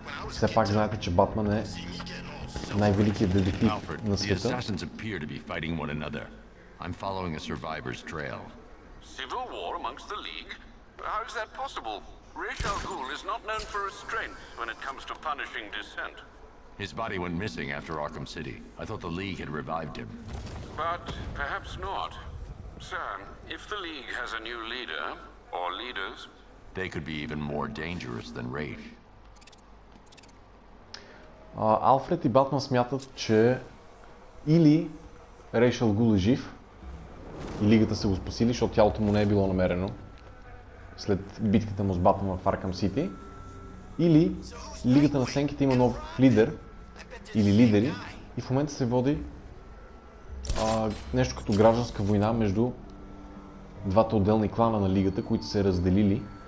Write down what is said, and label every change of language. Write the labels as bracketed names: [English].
[Bulgarian] Все пак знаете, че Батман е най-великият детектив на света. [English] The assassins appear to be fighting one another. I'm following a survivor's trail. Civil war amongst the League? How is that possible? Ra's al Ghul is not known for restraint when it comes to punishing dissent. His body went missing after Arkham City. I thought the League had revived him. But perhaps not. Sir, if the League has a new leader or leaders, they could be even more dangerous than Ra's. [Bulgarian] Алфред и Батман смятат, че или Ра's al Ghul е жив и Лигата са го спасили, защото тялото му не е било намерено след битката му с Батман в Arkham City, или Лигата на Сенките има нов лидер или лидери и в момента се води нещо като гражданска война между двата отделни клана на Лигата, които се разделили.